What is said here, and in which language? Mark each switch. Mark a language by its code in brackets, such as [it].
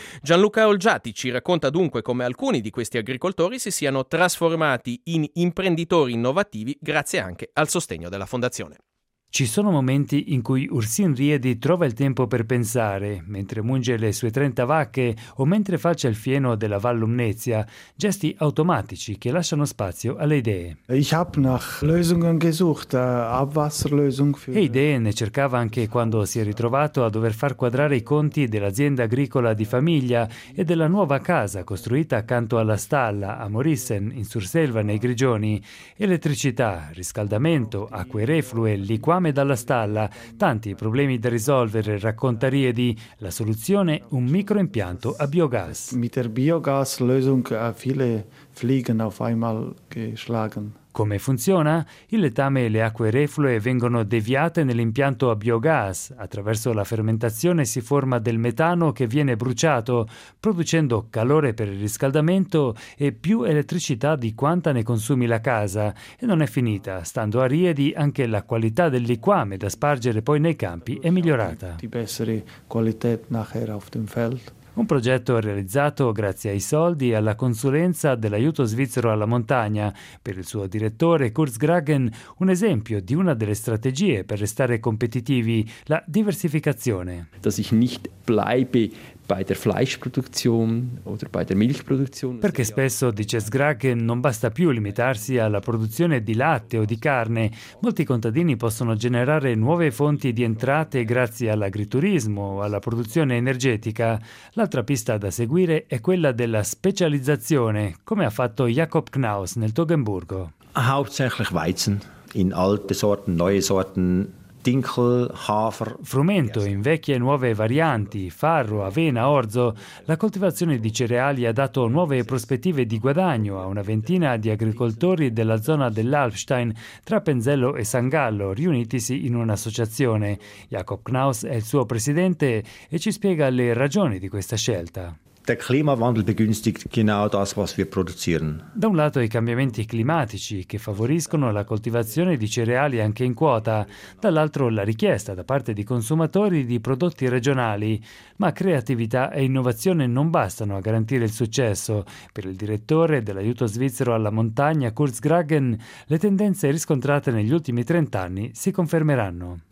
[it] Gianluca Olgiati ci racconta dunque come alcuni di questi agricoltori si siano trasformati in imprenditori innovativi grazie anche al sostegno della fondazione. Ci sono momenti in cui Ursin Riedi trova il tempo per pensare, mentre munge le sue 30 vacche o mentre faccia il fieno della Val Lumnezia, gesti automatici che lasciano spazio alle idee. [de] Ich hab nach Lösungen gesucht, Abwasserlösung für... [it] E idee ne cercava anche quando si è ritrovato a dover far quadrare i conti dell'azienda agricola di famiglia e della nuova casa costruita accanto alla stalla a Morissen, in Surselva, nei Grigioni. Elettricità, riscaldamento, acque reflue, liquami dalla stalla, tanti problemi da risolvere, racconta Riedi. La soluzione, un microimpianto a biogas. [de] Mit der Biogaslösung viele fliegen auf einmal geschlagen. [it] Come funziona? Il letame e le acque reflue vengono deviate nell'impianto a biogas. Attraverso la fermentazione si forma del metano che viene bruciato, producendo calore per il riscaldamento e più elettricità di quanta ne consumi la casa. E non è finita. Stando a Riedi, anche la qualità del liquame da spargere poi nei campi è migliorata. [de] Die bessere qualità nachher auf dem Feld. [it] Un progetto realizzato grazie ai soldi e alla consulenza dell'Aiuto Svizzero alla Montagna. Per il suo direttore Kurz Gragen, un esempio di una delle strategie per restare competitivi, la diversificazione. [de] Dass ich nicht bleibe bei der Fleischproduktion oder bei der Milchproduktion. [it] Perché spesso, dice Sgragen, non basta più limitarsi alla produzione di latte o di carne. Molti contadini possono generare nuove fonti di entrate grazie all'agriturismo o alla produzione energetica. L'altra pista da seguire è quella della specializzazione, come ha fatto Jakob Knaus nel Toggenburgo. [de] Hauptsächlich Weizen in alte Sorten, neue Sorten. Dinkel, Hafer, [it] frumento in vecchie e nuove varianti, farro, avena, orzo. La coltivazione di cereali ha dato nuove prospettive di guadagno a una ventina di agricoltori della zona dell'Alpstein, tra Penzello e San Gallo, riunitisi in un'associazione. Jakob Knaus è il suo presidente e ci spiega le ragioni di questa scelta. [de] Der Klimawandel begünstigt genau das, was wir produzieren. [it] Da un lato i cambiamenti climatici che favoriscono la coltivazione di cereali anche in quota, dall'altro la richiesta da parte di consumatori di prodotti regionali. Ma creatività e innovazione non bastano a garantire il successo. Per il direttore dell'Aiuto Svizzero alla Montagna, Kurz Gragen, le tendenze riscontrate negli ultimi 30 anni si confermeranno.